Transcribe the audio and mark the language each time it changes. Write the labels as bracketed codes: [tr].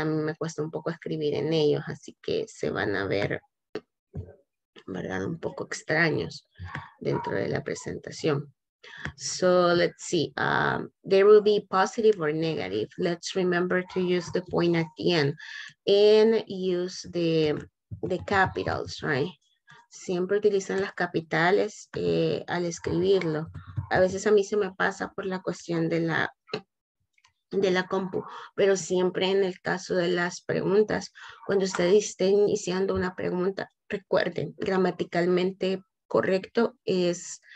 [es] A mí me cuesta un poco escribir en ellos, así que se van a ver, ¿verdad? Un poco extraños dentro de la presentación. [en] So let's see, there will be positive or negative. Let's remember to use the point at the end and use the capitals, right? [es] Siempre utilizan las capitales al escribirlo. A veces a mí se me pasa por la cuestión de la compu, pero siempre en el caso de las preguntas, cuando ustedes estén iniciando una pregunta, recuerden, gramaticalmente correcto es...